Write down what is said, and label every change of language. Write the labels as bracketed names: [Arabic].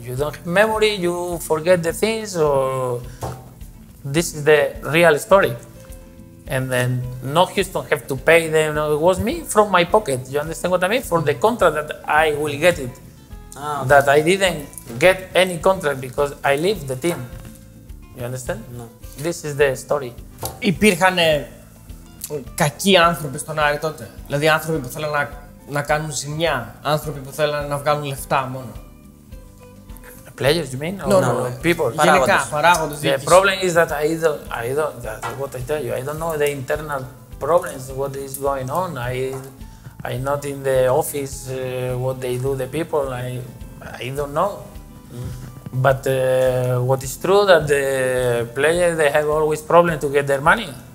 [English] You don't have memory, you forget the things, or this is the real story. And then no Houston have to pay them. No, it was me from my pocket. You understand what I mean? For the contract that I will get it. Oh, okay. That I didn't get any contract because I leave the team. You understand? No. This is the story. [Greek] Υπήρχαν κακοί άνθρωποι στον Άρη τότε. Δηλαδή άνθρωποι που θέλανε να κάνουν ζημιά. Άνθρωποι που θέλανε να βγάλουν λεφτά μόνο. [English] Players, you mean? No, no, people. [Greek] Γενικά, παράγοντες. [English] The problem is that what I tell you, I don't know the internal problems, what is going on. I'm not in the office, what they do, the people, I don't know. Mm-hmm. But what is true that the players, they have always problems to get their money.